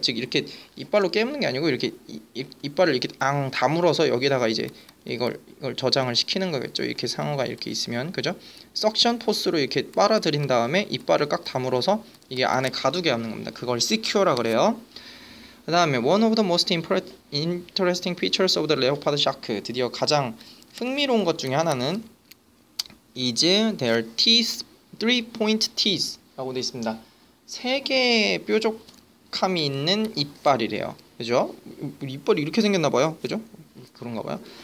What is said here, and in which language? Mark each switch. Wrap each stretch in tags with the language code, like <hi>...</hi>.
<ko>즉 이렇게 이빨로 깨무는 게 아니고 이렇게 이빨을 이렇게 앙 다물어서 여기다가 이제 이걸 저장을 시키는 거겠죠. 이렇게 상어가 이렇게 있으면 그죠? 석션 포스로 이렇게 빨아들인 다음에 이빨을 꽉 다물어서 이게 안에 가두게 하는 겁니다. 그걸 secure라 그래요. 그다음에</ko> <en>one of the most interesting features of the leopard shark.</en> <ko>드디어 가장 흥미로운 것 중에 하나는</ko> <en>is their teeth, three point teeth</en> <ko>라고 돼 있습니다. 세 개의 뾰족함이 있는 이빨이래요. 그죠? 이빨이 이렇게 생겼나 봐요. 그죠? 그런가 봐요.</ko>